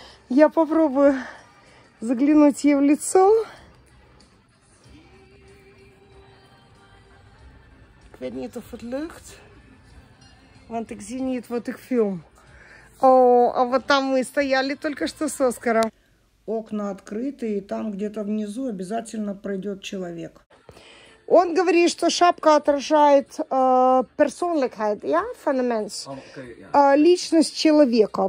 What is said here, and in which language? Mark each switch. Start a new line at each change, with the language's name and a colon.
Russian: Я попробую заглянуть ей в лицо.
Dutch: Ik weet niet of het lukt, want ik zie niet wat ik film.
Russian: О, а вот там мы стояли только что с Оскаром. Окна открыты, и там где-то внизу обязательно пройдет человек. Он говорит, что шапка отражает персонликайт, я феноменс, личность человека.